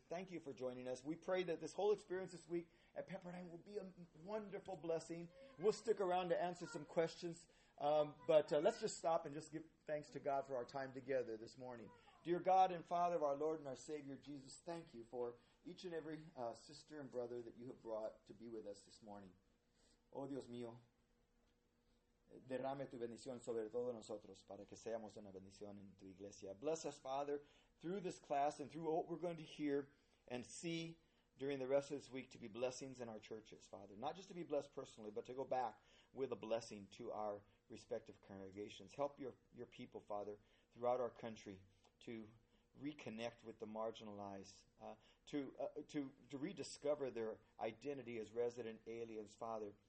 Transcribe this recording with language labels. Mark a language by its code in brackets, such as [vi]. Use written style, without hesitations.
[en] Thank you for joining us. We pray that this whole experience this week at Pepperdine will be a wonderful blessing. We'll stick around to answer some questions. But let's just stop and just give thanks to God for our time together this morning. Dear God and Father, our Lord and our Savior, Jesus, thank you for each and every sister and brother that you have brought to be with us this morning. [es] Oh, Dios mío, derrame tu bendición sobre todos nosotros para que seamos una bendición en tu iglesia. [en] Bless us, Father, through this class and through what we're going to hear and see during the rest of this week to be blessings in our churches, Father. Not just to be blessed personally, but to go back with a blessing to our respective congregations. Help your people, Father, throughout our country to reconnect with the marginalized, to rediscover their identity as resident aliens, Father.